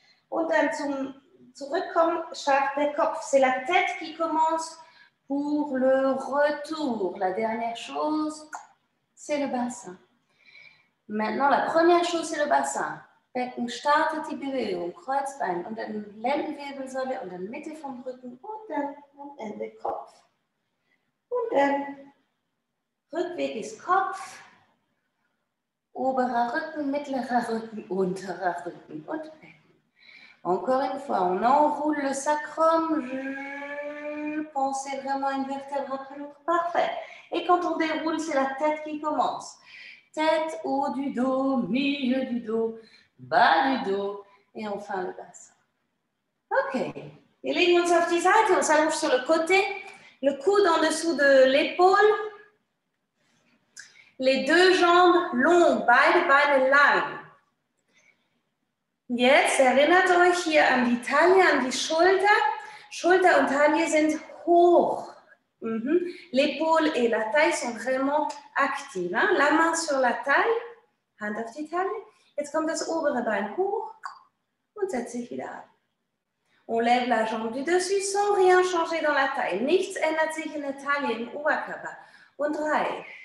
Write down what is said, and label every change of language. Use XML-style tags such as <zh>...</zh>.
<de>Und dann zum Zurückkommen, schafft der Kopf.</de> <fr>C'est la tête qui commence pour le retour. La dernière chose, c'est le bassin. Maintenant, la première chose, c'est le bassin.</fr> <de>Becken startet die Bewegung, Kreuzbein und dann Lendenwirbelsäule und dann Mitte vom Rücken und dann am Ende Kopf. Und dann Rückweg ist Kopf. Oberer Rücken, mittlerer Rücken, unterer Rücken und Becken.</de> <fr>Encore une fois, on enroule le sacrum. Pensez vraiment une vertèbre après l'autre. Parfait. Et quand on déroule, c'est la tête qui commence. Tête, haut du dos, milieu du dos, bas du dos et enfin le bassin. Ok. Et</fr> <de>legen uns auf die Seite,</de> <fr>on s'allonge sur le côté. Le coude en dessous de l'épaule. Les deux jambes longues,</fr> <de>beide Beine lang. Jetzt erinnert euch hier an die Taille, an die Schulter. Schulter und Taille sind hoch. Mm-hmm.</de> <fr>L'épaule et la taille sont vraiment actives. Hein? La main sur la taille,</fr> <de>Hand auf die Taille. Jetzt kommt das obere Bein hoch und setzt sich wieder ab.</de> <fr>On lève la jambe du dessus sans rien changer dans la taille.</fr> <de>Nichts ändert sich in der Taille, im Oberkörper. Und drei.</de>